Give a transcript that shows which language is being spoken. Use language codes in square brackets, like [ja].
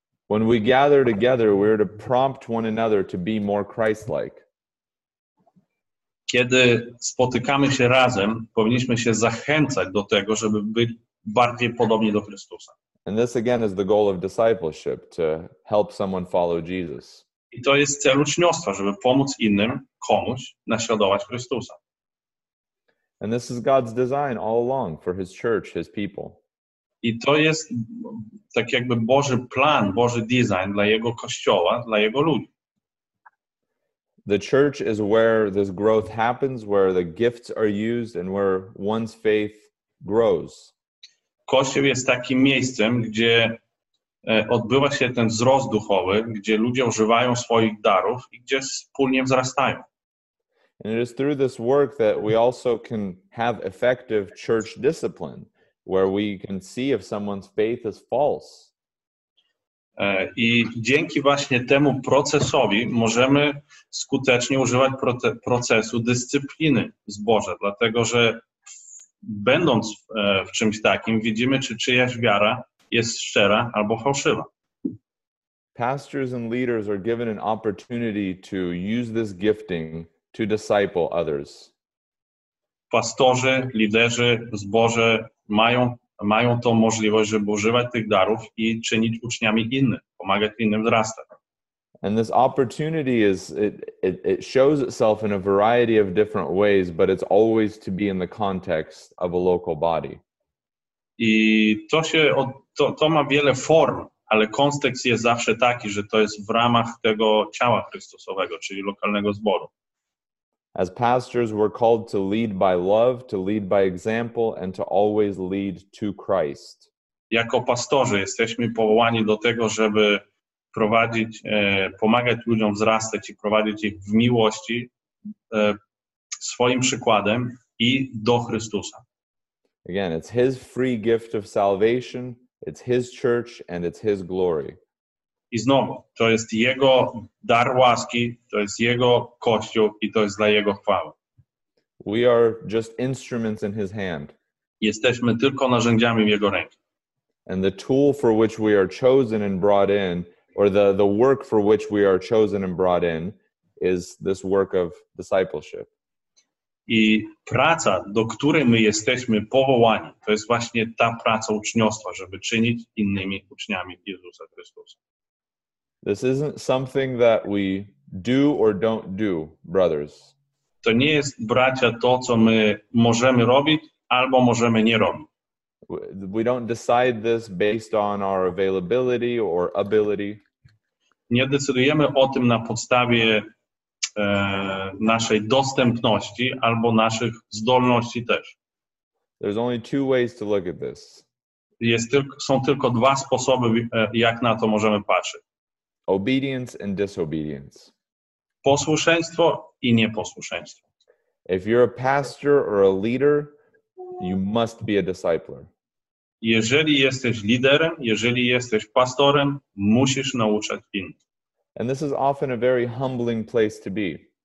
[en] When we gather together, we're to prompt one another to be more Christ-like. [pl] Kiedy spotykamy się razem, powinniśmy się zachęcać do tego, żeby być bardziej podobni do Chrystusa. [en] And this again is the goal of discipleship, to help someone follow Jesus. [pl] I to jest cel uczniostwa, żeby pomóc innym, komuś, naśladować Chrystusa. [en] And this is God's design all along for His church, His people. [pl] I to jest tak jakby Boży plan, Boży design dla Jego Kościoła, dla Jego ludzi. [en] The church is where this growth happens, where the gifts are used, and where one's faith grows. [pl] Kościół jest takim miejscem, gdzie odbywa się ten wzrost duchowy, gdzie ludzie używają swoich darów i gdzie wspólnie wzrastają. [en] And it is through this work that we also can have effective church discipline, where we can see if someone's faith is false. [pl] I dzięki właśnie temu procesowi możemy skutecznie używać procesu dyscypliny z Boże, dlatego że będąc w czymś takim, widzimy, czy czyjaś wiara jest szczera albo fałszywa. [en] Pastors and leaders are given an opportunity to use this gifting to disciple others. [pl] Pastorzy, liderzy z Boże mają tą możliwość, żeby używać tych darów i czynić uczniami innych, pomagać innym wzrastać. [en] And this opportunity is it shows itself in a variety of different ways, but it's always to be in the context of a local body. [pl] I to się to ma wiele form, ale kontekst jest zawsze taki, że to jest w ramach tego ciała Chrystusowego, czyli lokalnego zboru. [en] As pastors, we're called to lead by love, to lead by example, and to always lead to Christ. [pl] Jako pastorzy jesteśmy powołani do tego, żeby prowadzić, pomagać ludziom wzrastać i prowadzić ich w miłości swoim przykładem i do Chrystusa. [en] Again, it's His free gift of salvation, it's His church, and it's His glory. [pl] I znowu, to jest Jego dar łaski, to jest Jego Kościół i to jest dla Jego chwały. [en] We are just instruments in His hand. [pl] Jesteśmy tylko narzędziami w Jego ręki. [en] And the tool for which we are chosen and brought in, or the work for which we are chosen and brought in, is this work of discipleship. [pl] I praca, do której my jesteśmy powołani, to jest właśnie ta praca uczniostwa, żeby czynić innymi uczniami Jezusa Chrystusa. [en] This isn't something that we do or don't do, brothers. [pl] To nie jest, bracia, to, co my możemy robić, albo możemy nie robić. [en] We don't decide this based on our availability or ability. [pl] Nie decydujemy o tym na podstawie naszej dostępności albo naszych zdolności też. [en] There's only two ways to look at this. [pl] Są tylko dwa sposoby, jak na to możemy patrzeć. [en] Obedience and disobedience. [pl] Posłuszeństwo i nieposłuszeństwo. [en] If you're a pastor or a leader, you must be a discipler. [pl] Jeżeli jesteś liderem, jeżeli jesteś pastorem, musisz nauczać innych. [en] And this is often a very humbling place to be.